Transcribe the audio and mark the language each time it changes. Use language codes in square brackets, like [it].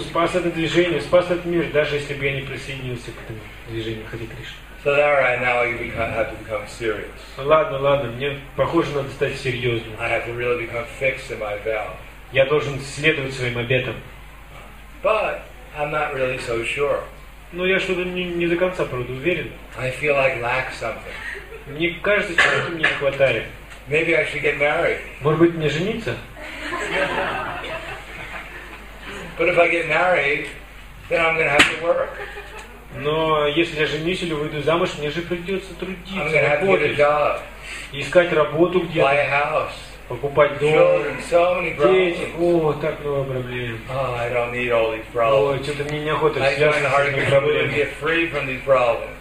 [ru] спас это движение, спас этот мир, даже если бы я не присоединился к этому движению Hare Krishna. [en] So all right, now I have to become serious. [ru] Ладно, ладно, мне похоже надо стать серьезным. [en] I have to really become fixed in my vow. [ru] Я должен следовать своим обетам. [en] But I'm not really so sure. [ru] Но я что-то не до конца, правда, уверен. [en] I feel like lack something. [ru] Мне кажется, чего-то мне не хватает. [en] Maybe I should get married. [ru] Может быть, мне жениться? [en] But if I get married, then I'm going to have to work. [ru] Но если я женюсь или выйду замуж, мне же придется трудиться, работать, искать работу где-то, покупать дом, дети. О, так много проблем. Ой, что-то мне неохота связываться с проблемами.